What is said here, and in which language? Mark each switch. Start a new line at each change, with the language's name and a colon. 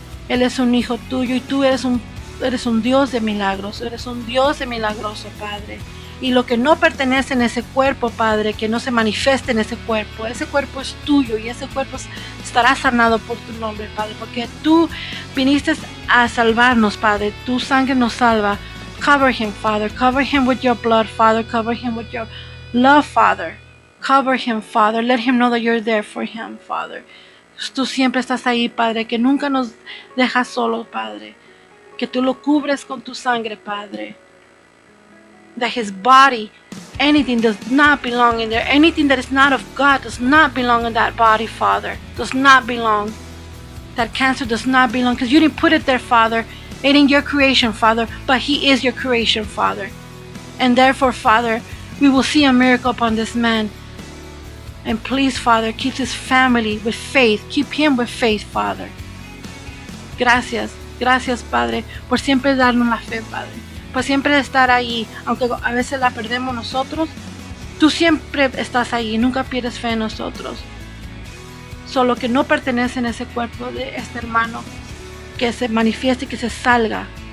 Spanish: Él es un hijo tuyo y tú eres un Dios de milagros, eres un Dios de milagroso, Padre. Y lo que no pertenece en ese cuerpo, Padre, que no se manifieste en ese cuerpo es tuyo y ese cuerpo estará sanado por tu nombre, Padre, porque tú viniste a salvarnos, Padre, tu sangre nos salva.
English: Cover him, Father, cover him with your blood, Father, cover him with your love, Father. Cover him, Father, let him know that you're there for him, Father.
Spanish: Tú siempre estás ahí, Padre, que nunca nos dejas solos, Padre. Que tú lo cubres con tu sangre, Padre.
English: That his body, anything does not belong in there. Anything that is not of God does not belong in that body, Father. Does not belong. That cancer does not belong. Because you didn't put it there, Father. It ain't your creation, Father. But he is your creation, Father. And therefore, Father, we will see a miracle upon this man. And please, Father, keep his family with faith. Keep him with faith, Father.
Spanish: Gracias. Gracias, Padre, por siempre darnos la fe, Padre. Por siempre estar ahí, aunque a veces la perdemos nosotros. Tú siempre estás ahí, nunca pierdes fe en nosotros. Solo que no pertenece en ese cuerpo de este hermano, que se manifieste y que se salga.